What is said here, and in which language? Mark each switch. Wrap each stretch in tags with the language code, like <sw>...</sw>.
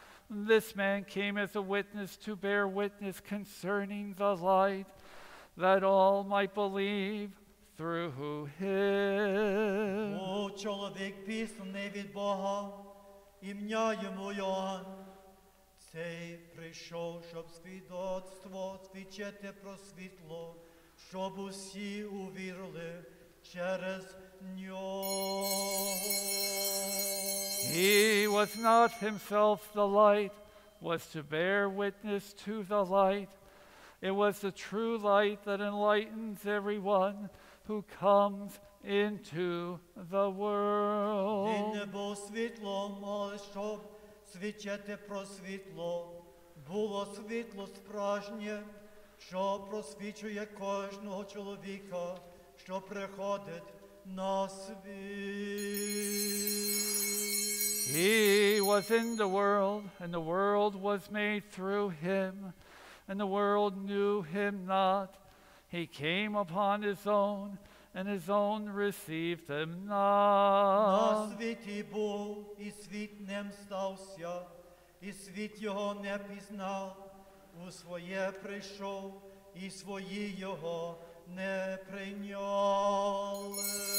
<en>This man came as a witness to bear witness concerning the light, that all might believe through him.</en> <uk>О, чоловік писаний від Бога, ім'я йому Йоанн. Цей прийшов, щоб свідоцтво свідчити про світло, щоб усі увірили через нього.</uk> <en>He was not himself the light, was to bear witness to the light. It was the true light that enlightens everyone who comes into the world.</en> <uk>Він не був світлом, але щоб свідчити про світло, було світло справжнє, що просвічує кожного чоловіка, що приходить на світ.</uk> <en>He was in the world, and the world was made through him, and the world knew him not. He came upon his own, and his own received him not.</en> <uk>На світі був, і світ ним стався, і світ його не пізнав. У своє прийшов, і свої його не прийняли.</uk>